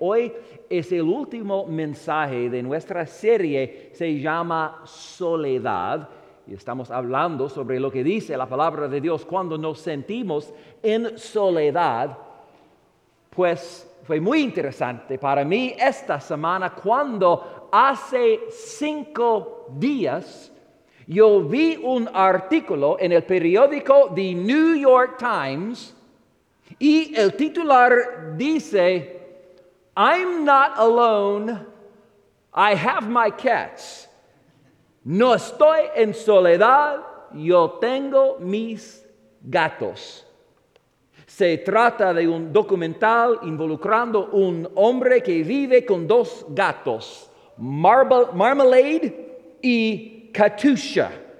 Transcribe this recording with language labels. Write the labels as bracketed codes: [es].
[es] Hoy es el último mensaje de nuestra serie, se llama Soledad, y estamos hablando sobre lo que dice la palabra de Dios cuando nos sentimos en soledad. Pues fue muy interesante para mí esta semana cuando hace 5 días yo vi un artículo en el periódico The New York Times. Y el titular dice, [en] I'm not alone, I have my cats. [es] No estoy en soledad, yo tengo mis gatos. Se trata de un documental involucrando un hombre que vive con 2 gatos, Marmalade y Katusha.